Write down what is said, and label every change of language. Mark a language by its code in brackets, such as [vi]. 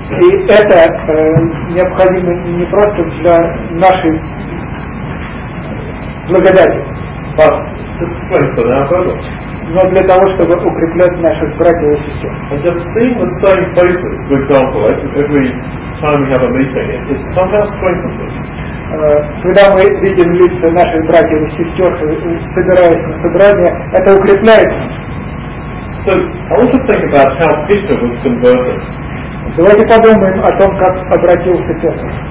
[ru] И это необходимо не просто для нашей благодати, но для того, чтобы укреплять наших братьев и сестер. [en] And just seeing the same faces, for example, every time we have a meeting, it somehow strengthens us. [ru] Когда мы видим лица наших братьев и сестер, собираясь на собрание, это укрепляет нас. [en] So, I want to think about how Peter was converted. [ru] Давайте подумаем о том, как обратился Петр.